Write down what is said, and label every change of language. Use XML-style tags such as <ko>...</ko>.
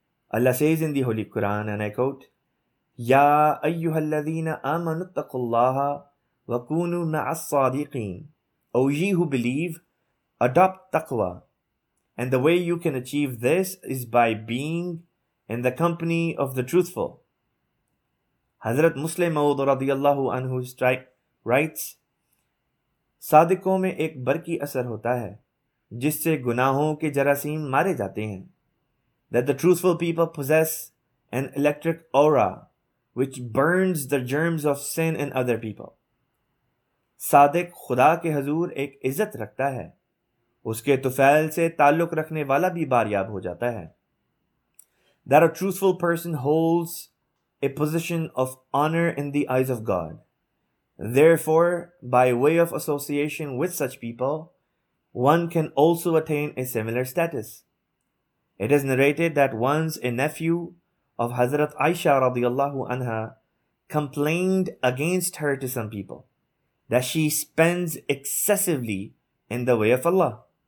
<en>Allah says in the Holy Quran, and I quote,</en> <ar>Ya ayyuha alladhina amanu taqullaha wa kunu ma'as sadiqeen.</ar> <en>O ye who believe, adopt taqwa. And the way you can achieve this is by being in the company of the truthful. Hazrat Muslim Maud radiyallahu anhu writes,</en> <ur>صادقوں میں ایک برقی اثر ہوتا ہے جس سے گناہوں کے جراثیم مارے جاتے ہیں.</ur> <en>That the truthful people possess an electric aura which burns the germs of sin in other people.</en> <ur>صادق خدا کے حضور ایک عزت رکھتا ہے، اس کے طفیل سے تعلق رکھنے والا بھی باریاب ہو جاتا ہے.</ur> <en>That a truthful person holds a position of honor in the eyes of God. Therefore, by way of association with such people, one can also attain a similar status. It is narrated that once a nephew of Hazrat Aisha radiallahu anha complained against her to some people that she spends excessively in the way of Allah.</en>